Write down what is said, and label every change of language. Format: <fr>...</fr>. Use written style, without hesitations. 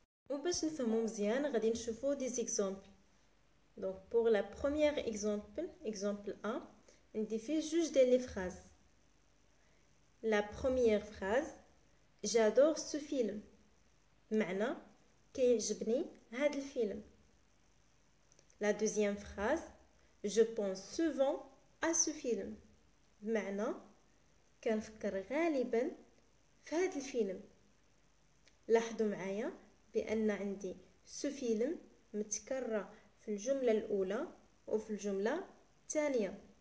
<ar>وباش نفهمو مزيان غادي نشوفو دي زيكزومبل. دونك بوغ لا بروميير اكزومبل، اكزومبل ا، عندي فيه جوج ديال لي فراز. لا بروميير فراز جادور سو فيلم، معنى كيعجبني هاد الفيلم. لا دوزيام فراز</ar> <fr>Je pense souvent à ce film.</fr> <ar>Maintenant, كنفكر غالبا في هذا الفيلم. لاحظوا معايا بأن عندي ce film متكرر في الجملة الأولى وفي الجملة الثانية.</ar>